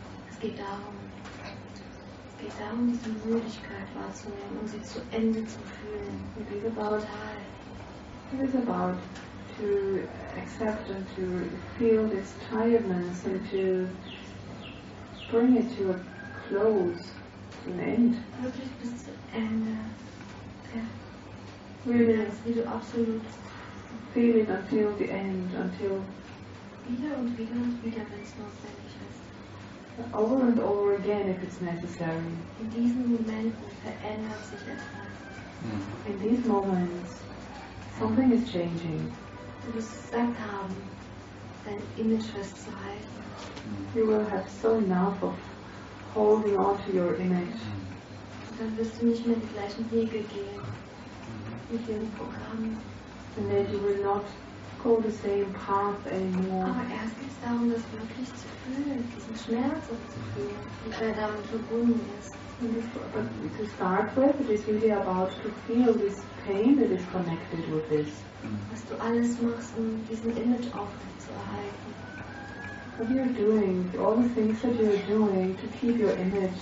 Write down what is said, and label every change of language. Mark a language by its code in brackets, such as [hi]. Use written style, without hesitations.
[de] Es geht darum, diese Müdigkeit wahrzunehmen, um sie zu Ende zu fühlen. [en] It is about to accept and to feel this tiredness and to bring it to a close, to an end. [de] Wirklich bis zu Ende. [en] Really, yes, [de] wie du absolut [en] feel it until the end, until [de] wieder und wieder und wieder, wenn es notwendig ist. [en] Over and over again, if it's necessary. [de] In diesen Momenten verändert sich etwas. [en] In these moments, something is changing. [de] Du wirst satt haben, dein Image festzuhalten. [en] You will have so enough of holding on to your image. [de] Und dann wirst du nicht mehr die gleichen Wege gehen mit dem Programm. [en] And then you will not go the same path anymore. [de] Aber erst geht es darum, das wirklich zu fühlen, diesen Schmerz auch zu fühlen, und wer damit verbunden ist. [en] But to start with, it is really about to feel this pain that is connected with this. [de] Was du alles machst, um diesen Image aufrechtzuerhalten. [en] What you're doing, all the things that you're doing to keep your image.